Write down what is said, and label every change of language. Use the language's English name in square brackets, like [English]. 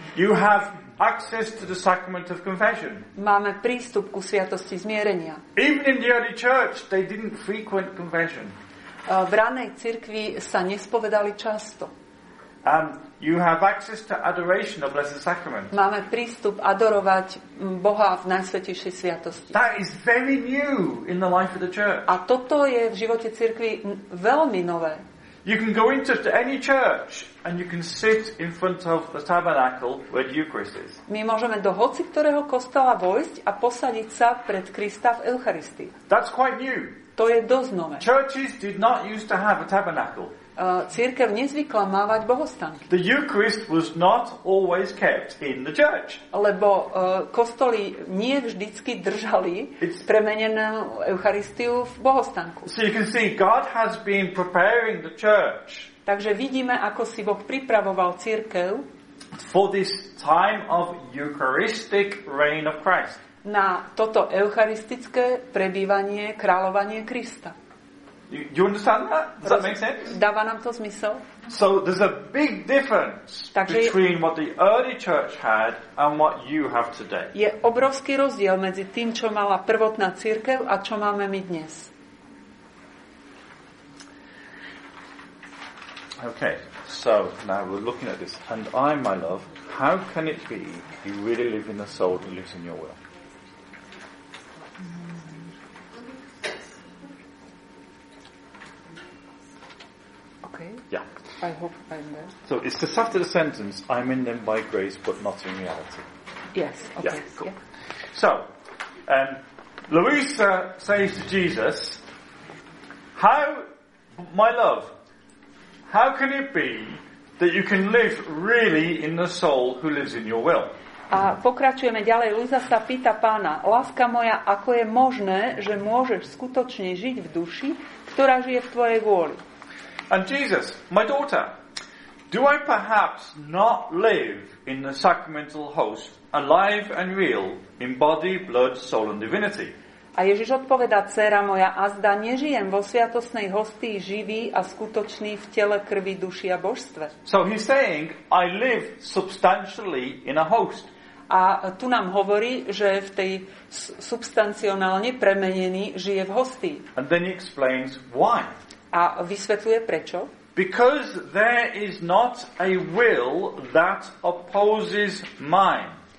[English] You have access to the sacrament of confession. [Slovak] Máme prístup ku sviatosti zmierenia. [English] Even in the early church they didn't frequent confession. [Slovak] V ranej cirkvi sa nespovedali často. [English] You have access to adoration of Blessed Sacrament. [Slovak] Máme prístup adorovať Boha v najsvätejšej sviatosti. [English] That is very new in the life of the church. [Slovak] A toto je v živote cirkvi veľmi nové. [English] You can go into any church and you can sit in front of the tabernacle where the Eucharist is. [Slovak] My môžeme do hoci ktorého kostola vojsť a posadiť sa pred Krista v Eucharistii. [English] That's quite new. [Slovak] To je dosť nové. [English] Churches did not used to have a tabernacle. [Slovak] Cirkev nezvykla mávať bohostánky. [English] The Eucharist was not always kept in the church. [Slovak] Lebo kostoly nie vždycky držali premenenú Eucharistiu v bohostánku. [English] So you can see God has been preparing the church. [Slovak] Takže vidíme, ako si Boh pripravoval cirkev [English] for this time of Eucharistic reign of Christ. [Slovak] Na toto eucharistické prebývanie, kráľovanie Krista. [English] You understand that? Does that make sense? [Slovak] Dáva nám to zmysel? [English] So there's a big difference between what the early church had and what you have today. [Slovak] Je obrovský rozdiel medzi tým, čo mala prvotná cirkev a čo máme my dnes. [English] Okay, so now we're looking at this. And I, my love, how can it be you really live in the soul that lives in your will? Yeah. I hope I'm there. So it's just after the sentence, I'm in them by grace, but not in reality. Yes. Okay. Yeah, cool. Yeah. So, Louisa says to Jesus, my love, how can it be that you can live really in the soul who lives in your will? [Slovak] A pokračujeme ďalej. Louisa sa pýta pána, láska moja, ako je možné, že môžeš skutočne žiť v duši, ktorá žije v tvojej vôli? [English] And Jesus, my daughter, do I perhaps not live in the sacramental host, alive and real, in body, blood, soul and divinity? [Slovak] A Ježiš odpovedá, dcera moja, azda nežijem vo sviatostnej hostii živý a skutočný v tele, krvi, duši a božstve. [English] So he's saying, I live substantially in a host. [Slovak] A tu nám hovorí, že v tej substancionálne premenený žije v hostii. [English] And then he explains why. [Slovak] A vysvetľuje prečo? [English] Because there is not a will that opposes mine.